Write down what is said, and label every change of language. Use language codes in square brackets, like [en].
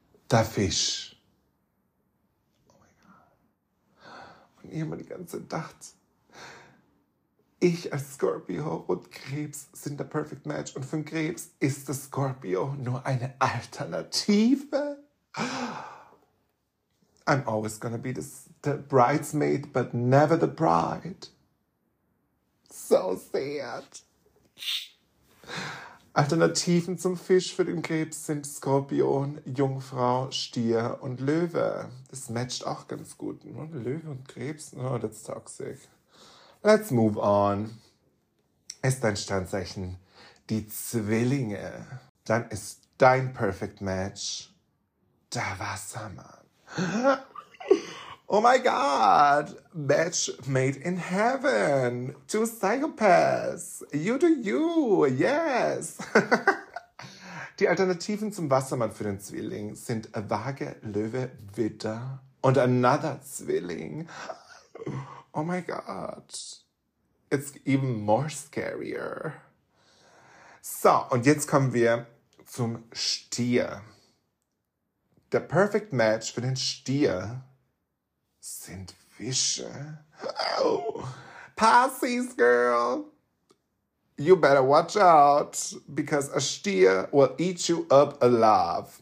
[de] Der Fisch. [en] Oh my God. [de] Und ich habe mir die ganze Zeit gedacht, ich als Skorpio und Krebs sind der perfect match. Und für den Krebs ist der Skorpio nur eine Alternative. [en] I'm always gonna be the bridesmaid, but never the bride. So sad. [de] Alternativen zum Fisch für den Krebs sind Skorpion, Jungfrau, Stier und Löwe. Das matcht auch ganz gut. Und Löwe und Krebs, [en] oh, that's toxic. Let's move on. [de] Ist dein Sternzeichen die Zwillinge? Dann ist dein perfect match der Wassermann. [en] Oh my God, match made in heaven. Two psychopaths, you do you, yes. [de] Die Alternativen zum Wassermann für den Zwilling sind Waage, Löwe, Widder und another Zwilling. [en] Oh my God, it's even more scarier. [de] So, und jetzt kommen wir zum Stier. Der perfect match für den Stier sind Fische. [en] Oh. Pisces, girl. You better watch out, because a Stier will eat you up alive.